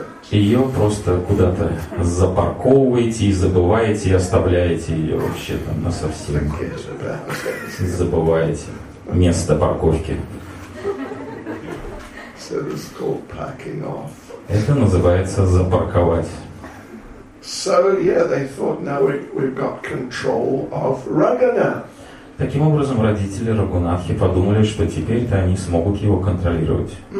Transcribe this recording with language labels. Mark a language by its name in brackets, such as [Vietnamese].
[Russian] Ее просто куда-то запарковываете и забываете, и оставляете ее вообще там насовсем. Забываете место парковки. [English] So this is called packing off. [Russian] Это называется запарковать. [English] So yeah, they thought now we've got control of Raghunath. [Russian] Таким образом, родители Рагунатхи подумали, что теперь-то они смогут его контролировать.